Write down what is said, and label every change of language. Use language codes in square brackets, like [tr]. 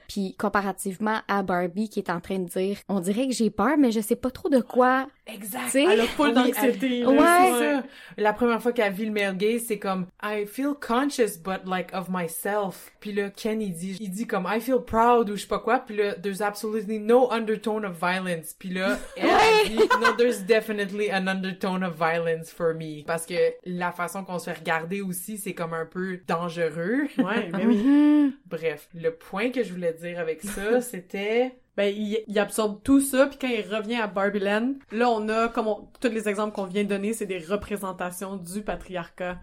[fr] Puis comparativement à Barbie qui est en train de dire, on dirait que j'ai peur, mais je sais pas trop de quoi. Exact. T'sais? Elle a pas d'anxiété. Ouais. La première fois qu'elle vit le male gaze, c'est comme, [en] I feel conscious, but like of myself. [fr] Puis là, Ken, il dit comme, [en] I feel proud [fr] ou je sais pas quoi. Puis là, [en] there's absolutely no undertone of violence. Puis là, no, there's definitely an undertone of violence for me. [fr] Parce que la façon qu'on se fait regarder aussi, c'est comme un peu dangereux. Ouais, mais oui. Bref, le point que je voulais dire avec ça, c'était... Ben, il absorbe tout ça, puis quand il revient à Barbie Land, là, on a, comme tous les exemples qu'on vient de donner, c'est des représentations du patriarcat.